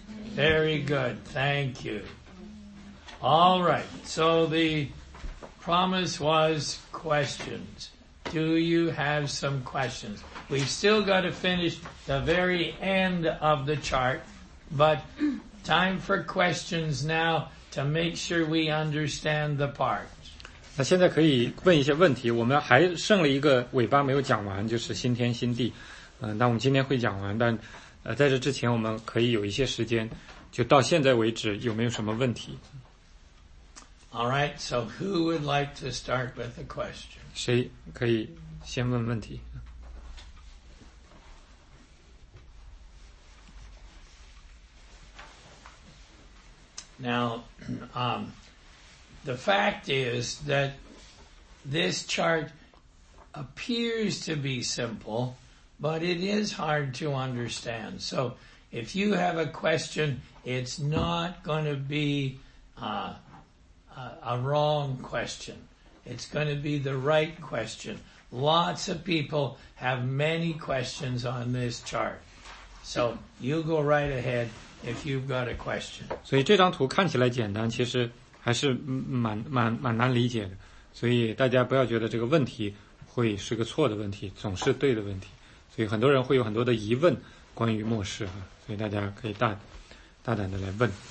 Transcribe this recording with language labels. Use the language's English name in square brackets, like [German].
[English] Very good, thank you. All right, so the promise was questions. Do you have some questions? We've still got to finish the very end of the chart, but time for questions now to make sure we understand the parts. [Chinese] 那现在可以问一些问题，我们还剩了一个尾巴没有讲完，就是新天新地。那我们今天会讲完，但在这之前我们可以有一些时间，就到现在为止有没有什么问题。 [English] All right, so who would like to start with a question? [Chinese] 谁可以先问问题？ [English] Now, the fact is that this chart appears to be simple, but it is hard to understand. So if you have a question, it's not going to be a wrong question. It's going to be the right question. Lots of people have many questions on this chart. So you go right ahead. If you've got a question. [Chinese] 所以这张图看起来简单，其实还是蛮难理解的。所以大家不要觉得这个问题会是个错的问题，总是对的问题。所以很多人会有很多的疑问关于末世，所以大家可以大胆的来问。